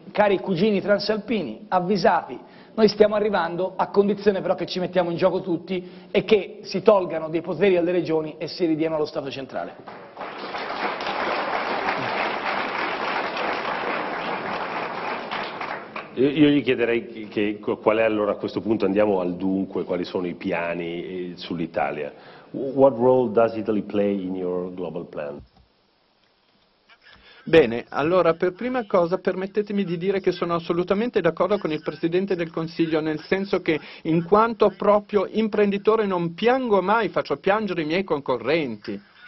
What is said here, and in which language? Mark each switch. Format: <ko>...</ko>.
<it>cari cugini transalpini, avvisati, noi stiamo arrivando, a condizione però che ci mettiamo in gioco tutti e che si tolgano dei poteri alle regioni e si ridiano allo Stato centrale. Io gli chiederei che, qual è allora a questo punto, andiamo al dunque, quali sono i piani sull'Italia.</it> <en>What role does Italy play in your global plan?</en> <it>Bene, allora per prima cosa permettetemi di dire che sono assolutamente d'accordo con il Presidente del Consiglio, nel senso che in quanto proprio imprenditore non piango mai, faccio piangere i miei concorrenti.</it>